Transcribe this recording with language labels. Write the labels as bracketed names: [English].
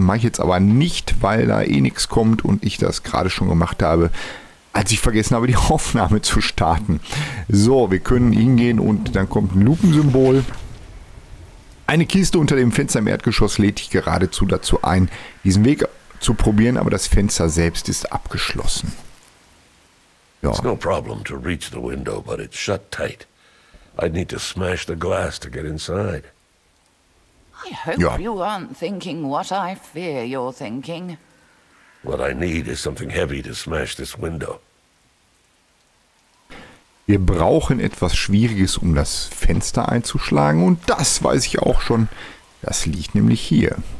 [German] Mache ich jetzt aber nicht, weil da eh nichts kommt und ich das gerade schon gemacht habe, als ich vergessen habe, die Aufnahme zu starten. So, wir können hingehen und dann kommt ein Lupensymbol. Eine Kiste unter dem Fenster im Erdgeschoss lädt dich geradezu dazu ein, diesen Weg zu probieren, aber das Fenster selbst ist abgeschlossen. Ja. [English] It's no problem to reach the window, but it's shut tight. I'd need to smash the glass to get inside. I hope you aren't thinking what I fear you're thinking. What I need is something heavy to smash this window. [German] Wir brauchen etwas Schwieriges, um das Fenster einzuschlagen, und das weiß ich auch schon. Das liegt nämlich hier.